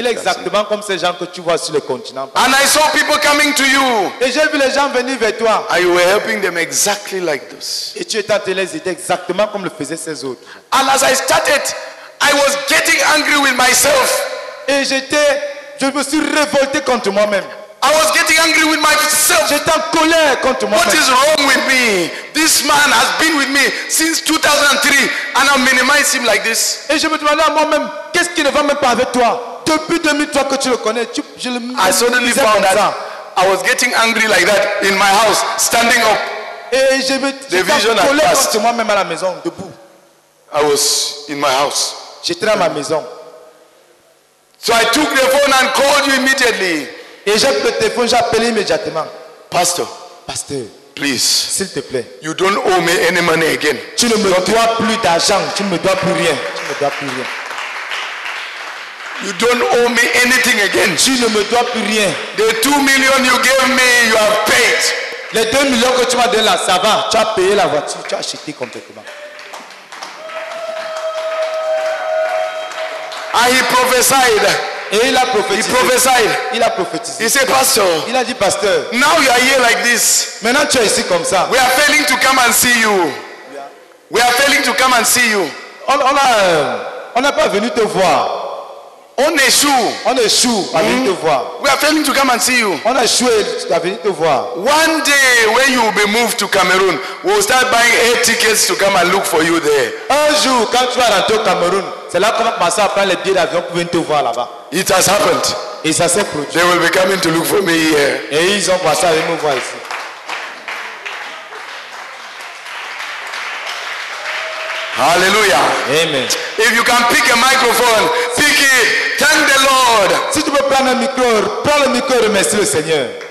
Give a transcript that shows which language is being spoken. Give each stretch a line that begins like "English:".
French: il est exactement comme ces gens que tu vois sur le continent.
English: And I saw people coming to you.
French: Et j'ai vu les gens venir vers toi.
English: And you were helping them exactly like those.
French: Et tu étais en train de les aider exactement comme le faisaient ces autres.
English: And as I started, I was getting angry with myself.
French: Et je me suis révolté contre moi-même.
English: I was getting angry with myself.
French: J'étais en colère contre moi-même.
English: What is wrong with me? This man has been with me since 2003 and I minimize him like this.
French: Et je me demandais à moi-même, qu'est-ce qui ne va même pas avec toi? Depuis 2003 que tu le connais, je le
English: I suddenly found that I was getting angry like that in my house, standing up.
French: Et je me suis collé contre moi-même à la maison, debout.
English: I was in my house.
French: J'étais dans ma maison.
English: So I took the phone and called you immediately.
French: Et j'ai pris le téléphone, j'ai appelé immédiatement.
English: Pastor.
French: Pasteur.
English: Please.
French: S'il te plaît.
English: You don't owe me any money again.
French: Tu ne me dois plus d'argent. Tu ne me dois plus rien. Tu ne me dois plus rien.
English: You don't owe me anything again.
French: Tu ne me dois plus rien.
English: The 2 million you gave me, you have paid.
French: Les 2 millions que tu m'as donné là, ça va. Tu as payé la voiture, tu as acheté complètement.
English: And he prophesied.
French: Et il a prophétisé.
English: He prophesied.
French: Il a prophétisé.
English: He said, Pastor.
French: Il a dit, Pasteur.
English: Now you are here like this.
French: Maintenant tu es ici comme ça.
English: We are failing to come and see you. Yeah. We are failing to come and see you.
French: On a pas venu te voir. On échoue. On échoue. On est venu te voir.
English: We are failing to come and see you.
French: On a échoué. Tu es venu te voir.
English: One day, when you will be moved to Cameroon, we will start buying air tickets to come and look for you there.
French: Un jour, quand tu vas rentrer au Cameroun, c'est là qu'on va passer à prendre les billets d'avion pour venir te voir là-bas.
English: It has happened.
French: Et ça s'est produit.
English: They will be coming to look for me here.
French: Et ils ont passé à venir me voir ici.
English: Hallelujah. Amen. If you can pick a microphone, pick it. Thank the Lord.
French: Si tu peux prendre un micro, prends le micro et remercie le Seigneur.